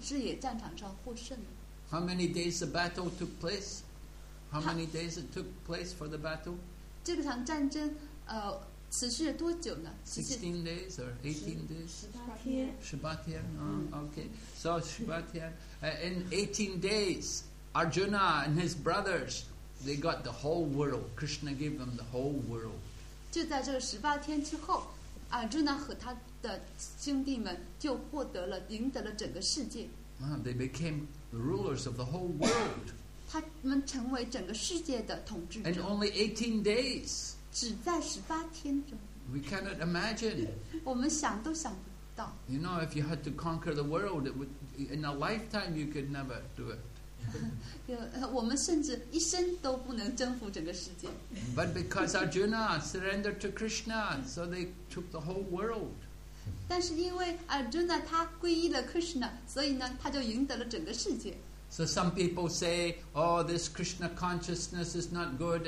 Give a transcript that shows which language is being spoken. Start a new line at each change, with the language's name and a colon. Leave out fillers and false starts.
Chinese: 他们在他和他的兄弟在库鲁治野战场上获胜。
English: How many days the battle took place? How many days it took place for the battle?
Chinese: 这场战争持续了多久呢？
English: 16 days or 18 days?
Chinese: 十八天。
English: Okay. So
Chinese: 十八天.
English: In 18 days, Arjuna and his brothers, they got the whole world. Krishna gave them the whole world.
Chinese: 就在这18天之后。Arjuna和他的兄弟们就获得了，赢得了整个世界。
English: They became rulers of the whole world.
Chinese: 他们成为整个世界的统治者。
English: In only 18 days.
Chinese: 只在十八天中。
English: We cannot imagine.
Chinese: 我们想都想不到。
English: You know, if you had to conquer the world, it would, in a lifetime, you could never do it.
Chinese: 我们甚至一生都不能征服整个世界。
English: But because Arjuna surrendered to Krishna, so they took the whole world.
Chinese: 但是因为 Arjuna 他皈依了 Krishna, 所以呢，他就赢得了整个世界。
English: So some people say, oh, this Krishna consciousness is not good.